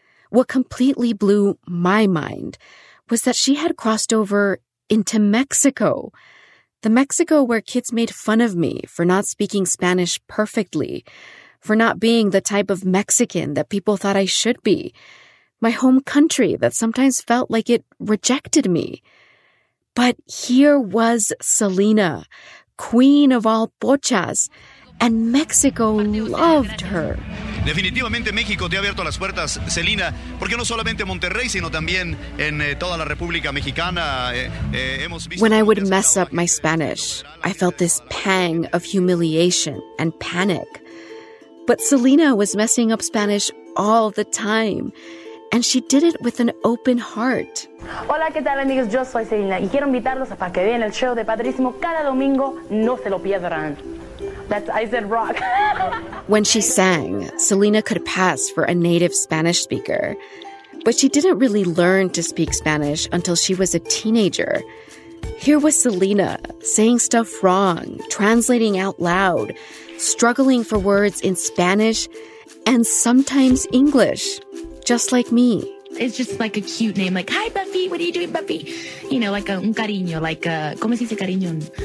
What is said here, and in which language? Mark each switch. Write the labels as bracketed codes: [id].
[en] What completely blew my mind was that she had crossed over into Mexico, the Mexico where kids made fun of me for not speaking Spanish perfectly, for not being the type of Mexican that people thought I should be, my home country that sometimes felt like it rejected me. But here was Selena, queen of all pochas, and Mexico loved her. [es] Definitivamente México te ha abierto las puertas, Selena, porque no solamente Monterrey, sino también en toda la República Mexicana. [en] When I would mess up my Spanish, I felt this pang of humiliation and panic. But Selena was messing up Spanish all the time, and she did it with an open heart. [es] Hola, ¿qué tal, amigos? Yo soy Selena, y quiero invitarlos a para que vean el show de Padrísimo cada domingo. No se lo pierdan. [en] I said rock. When she sang, Selena could pass for a native Spanish speaker. But she didn't really learn to speak Spanish until she was a teenager. Here was Selena, saying stuff wrong, translating out loud, struggling for words in Spanish, and sometimes English, just like me. It's just like a cute name, like, hi, Buffy, what are you doing, Buffy? You know, like [es] un cariño, [en] like, [es] ¿cómo se dice cariño?